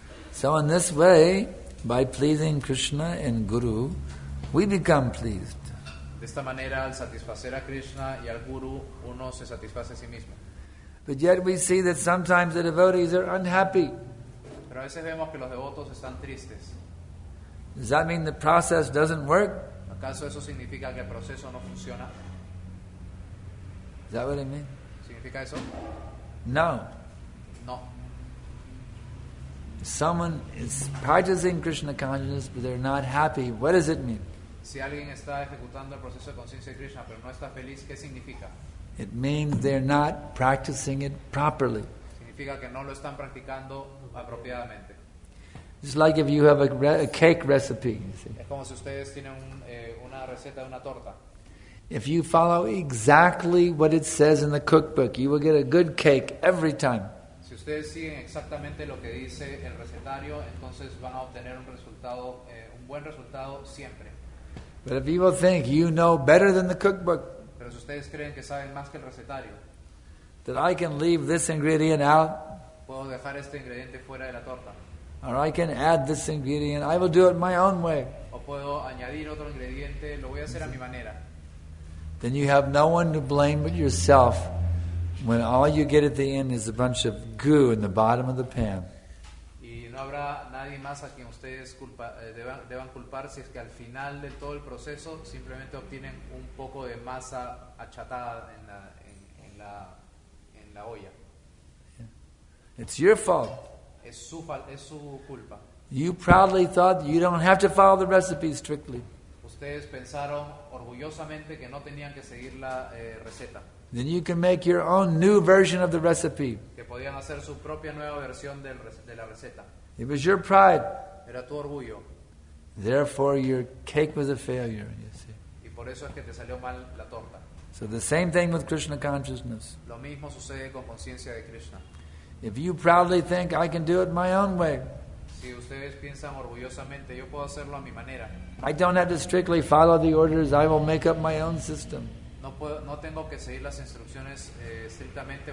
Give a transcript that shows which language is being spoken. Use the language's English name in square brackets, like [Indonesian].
[English] So in this way, by pleasing Krishna and Guru, we become pleased. [Spanish] De esta manera, al satisfacer a Krishna y al Guru, uno se satisface a sí mismo. [English] But yet we see that sometimes the devotees are unhappy. [Spanish] Pero a veces vemos que los devotos están tristes. [English] Does that mean the process doesn't work? [Spanish] ¿Acaso eso significa que el proceso no funciona? [English] Is that what I mean? [Spanish] ¿Significa eso? [English] No. [Spanish] No. [English] Someone is practicing Krishna consciousness but they're not happy. What does it mean? [Spanish] Si alguien está ejecutando el proceso de conciencia de Krishna pero no está feliz, ¿qué significa? [English] It means they're not practicing it properly. [Spanish] Significa que no lo están practicando apropiadamente. [English] It's like if you have a cake recipe. [Spanish] Es como si ustedes tienen una receta de una torta. [English] If you follow exactly what it says in the cookbook, you will get a good cake every time. [Spanish] Si ustedes siguen exactamente lo que dice el recetario, entonces van a obtener un resultado, un buen resultado siempre. [English] But if people think you know better than the cookbook, [Spanish] pero si ustedes creen que saben más que el recetario, [English] that I can leave this ingredient out, [Spanish] puedo dejar este ingrediente fuera de la torta, [English] or I can add this ingredient, I will do it my own way, [Spanish] o puedo añadir otro ingrediente, lo voy a hacer a mi manera, [English] then you have no one to blame but yourself when all you get at the end is a bunch of goo in the bottom of the pan. [Spanish] Y no habrá nadie más a quien ustedes culpa, deban culpar si es que al final de todo el proceso simplemente obtienen un poco de masa achatada en la, en la olla. [English] Yeah. It's your fault. [Spanish] Es su culpa. [English] You proudly thought you don't have to follow the recipe strictly. [Spanish] Ustedes pensaron orgullosamente que no tenían que seguir la receta. [English] Then you can make your own new version of the recipe. [Spanish] Que podían hacer su propia nueva versión de la receta. [English] It was your pride. [Spanish] Era tu orgullo. [English] Therefore, your cake was a failure, you see. [Spanish] Y por eso es que te salió mal la torta. [English] So the same thing with Krishna consciousness. [Spanish] Lo mismo sucede con conciencia de Krishna. [English] If you proudly think I can do it my own way, [Spanish] si ustedes piensan orgullosamente, yo puedo hacerlo a mi manera. [English] I don't have to strictly follow the orders. I will make up my own system. [Spanish] No puedo, no tengo que seguir las instrucciones estrictamente.